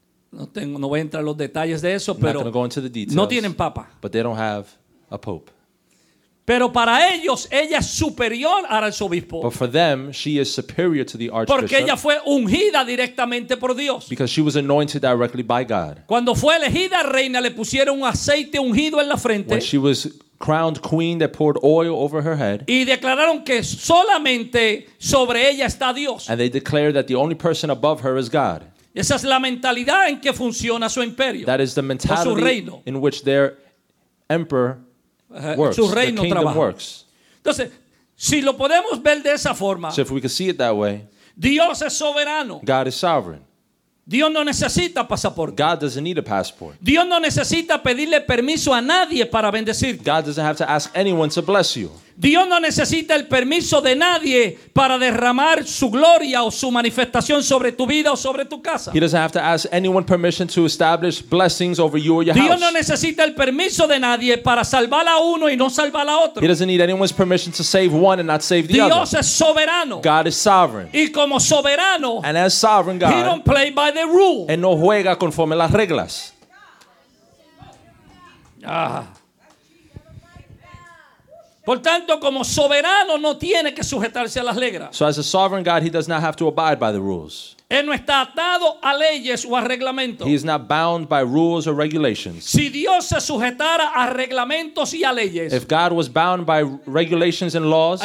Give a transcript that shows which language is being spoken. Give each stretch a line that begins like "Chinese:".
Spanish: No tengo, no voy a entrar los detalles de eso, pero
English: not gonna go into the details,
Spanish: no tienen papa.
English: But they don't have a pope.
Spanish: Pero para ellos, ella es superior al arzobispo.
English: But for them, she is superior to the archbishop.
Spanish: Porque ella fue ungida directamente por Dios.
English: Because she was anointed directly by God.
Spanish: Cuando fue elegida reina, le pusieron un aceite ungido en la frente.
English: When she was crowned queen, they poured oil over her head.
Spanish: Y declararon que solamente sobre ella está Dios.
English: And they declared that the only person above her is God.
Spanish: Esa es la mentalidad en que funciona su imperio.
English: That is the mentality
Spanish: su reino
English: in which their emperor works.
Spanish: Su reino
English: the kingdom
Spanish: trabaja
English: works.
Spanish: Entonces, si lo podemos ver de esa forma,
English: so if we can see it that way,
Spanish: Dios es soberano.
English: God is sovereign.
Spanish: Dios no necesita pasaporte.
English: God doesn't need a passport.
Spanish: Dios no necesita pedirle permiso a nadie para bendecirte.
English: God doesn't have to ask anyone to bless you.
Spanish: Dios no necesita el permiso de nadie para derramar su gloria o su manifestación sobre tu vida o sobre tu casa.
English: He doesn't have to ask anyone permission to establish blessings over you or your
Spanish: Dios
English: house.
Spanish: Dios no necesita el permiso de nadie para salvar a uno y no salvar a otro.
English: He doesn't need anyone's permission to save one and not save the
Spanish: Dios
English: other.
Spanish: Dios es soberano.
English: God is sovereign.
Spanish: Y como soberano,
English: and as sovereign God, he don't play by the rule.
Spanish: Él no juega conforme las reglas. Ah. Por tanto, como soberano, no tiene que sujetarse a las reglas.
English: So as a sovereign God, he does not have to abide by the rules.
Spanish: Él no está atado a leyes o a reglamentos.
English: He is not bound by rules or regulations.
Spanish: Si Dios se sujetara a reglamentos y a leyes,
English: if God was bound by regulations and laws,